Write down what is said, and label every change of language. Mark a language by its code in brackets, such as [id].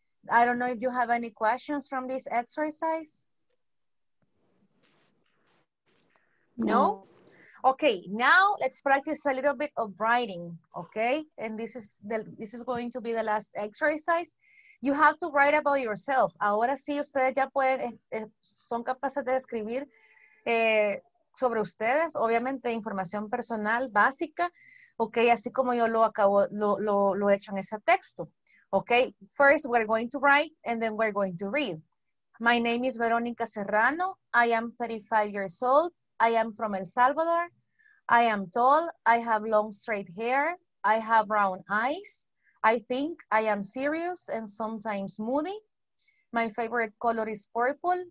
[en] I don't know if you have any questions from this exercise. No? Okay, now let's practice a little bit of writing, okay? And this is going to be the last exercise. You have to write about yourself. [es] Ahora sí, ustedes ya pueden, son capaces de escribir sobre ustedes. Obviamente, información personal básica, okay? Así como yo lo he hecho en ese texto. [en] Okay, first we're going to write and then we're going to read. My name is Veronica Serrano. I am 35 years old. I am from El Salvador. I am tall. I have long straight hair. I have brown eyes. I think I am serious and sometimes moody. My favorite color is purple.